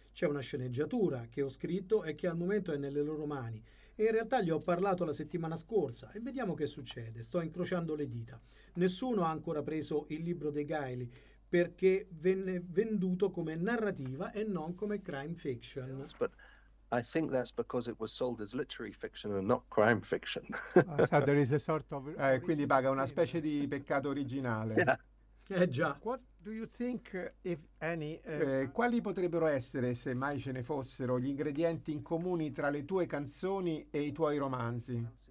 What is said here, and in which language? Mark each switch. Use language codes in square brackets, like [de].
[it] C'è una sceneggiatura che ho scritto e che al momento è nelle loro mani. E in realtà gli ho parlato la settimana scorsa e vediamo che succede. Sto incrociando le dita. Nessuno ha ancora preso il libro dei Gaili perché venne venduto come narrativa e non come crime fiction. [en] I think that's because it was sold as literary fiction and not crime fiction. So there is a sort of [it] quindi paga una specie di peccato originale. [en] Yeah. [it] Già. [en] What do you think, if any, [it] quali potrebbero essere, se mai ce ne fossero, gli ingredienti in comune tra le tue canzoni e i tuoi romanzi?